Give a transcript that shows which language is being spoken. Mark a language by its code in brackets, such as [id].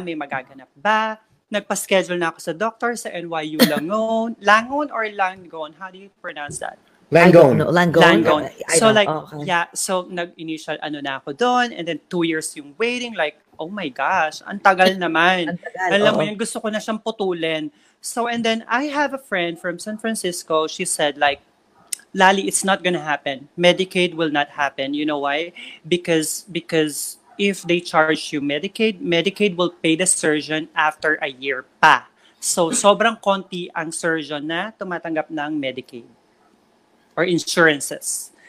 [tl] May magaganap ba? Nagpa-schedule na ako sa doctor sa NYU Langone. [en] Langone or Langone? How do you pronounce that? Langone. [tl] So like, yeah. So nag-initial ano na ako doon. And then 2 years yung waiting. [en] Like, oh my gosh. [tl] Ang tagal naman. Alam mo yung gusto ko na siyang putulin. [en] So, and then I have a friend from San Francisco. She said, like, Lali, it's not going to happen. Medicaid will not happen. You know why? Because if they charge you Medicaid will pay the surgeon after a year pa. [tl] So, sobrang konti ang surgeon na tumatanggap ng Medicaid or insurances.